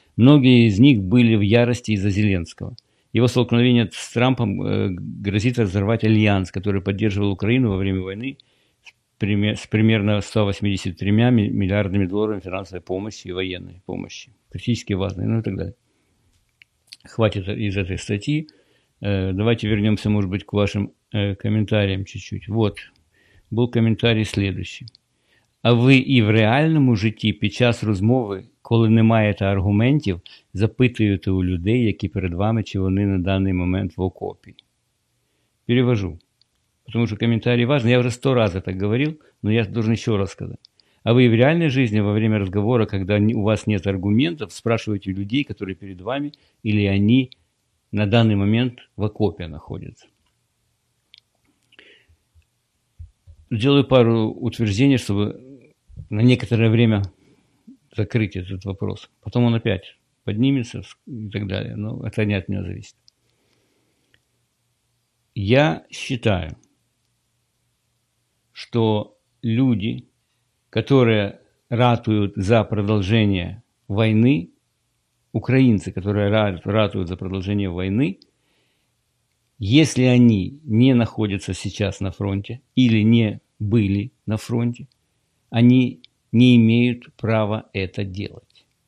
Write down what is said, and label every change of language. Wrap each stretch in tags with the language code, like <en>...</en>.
<ru>Многие из них были в ярости из-за Зеленского. Его столкновение с Трампом грозит разорвать альянс, который поддерживал Украину во время войны с примерно 183 миллиардами долларов финансовой помощи и военной помощи, критически важной, ну и так далее. Хватит из этой статьи. Давайте вернемся, может быть, к вашим комментариям чуть-чуть. Вот, был комментарий следующий.</ru> <uk>А ви і в реальному житті під час розмови, коли не маєте аргументів, запитуєте у людей, які перед вами, чи вони на даний момент в окопі. Перевожу, тому що коментарі важливі. Я вже 100 разів так говорив, але я повинен ще раз сказати. А ви в реальній житті,</uk> <ru>во время</ru> <uk>розмови, коли у вас немає аргументів, спрашуєте у людей, які перед вами, чи вони на даний момент в окопі знаходяться.</uk> <ru>Сделаю пару утверждений, чтобы на некоторое время закрыть этот вопрос. Потом он опять поднимется и так далее. Но это не от меня зависит. Я считаю, что люди, которые ратуют за продолжение войны, украинцы, которые ратуют за продолжение войны, если они не находятся сейчас на фронте или не были на фронте, они не имеют права это делать.</ru>